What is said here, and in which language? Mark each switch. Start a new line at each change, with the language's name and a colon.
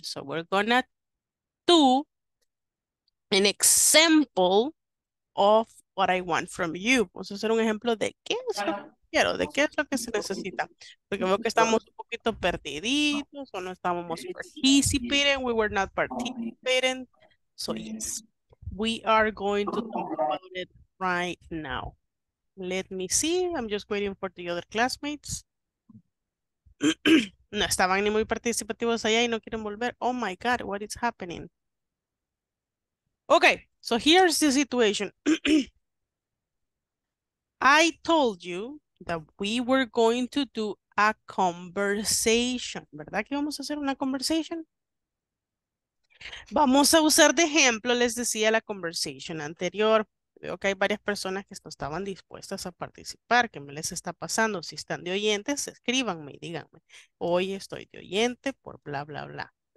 English: So we're gonna do an example of what I want from you.
Spanish: Vamos a hacer un ejemplo de qué es lo que quiero, de qué es lo que se necesita. Porque veo que estamos un poquito perdiditos o no estábamos participating.
English: We were not participating. So yes, we are going to talk about it right now. Let me see. I'm just waiting for the other classmates.
Spanish: No estaban ni muy participativos allá y no quieren volver.
English: Oh my God, what is happening? Okay, so here's the situation. I told you that we were going to do a conversation.
Spanish: ¿Verdad que vamos a hacer una conversation? Vamos a usar de ejemplo, les decía, la conversation anterior. Veo que hay varias personas que no estaban dispuestas a participar. ¿Qué me les está pasando? Si están de oyentes, escríbanme y díganme. Hoy estoy de oyente por bla, bla, bla.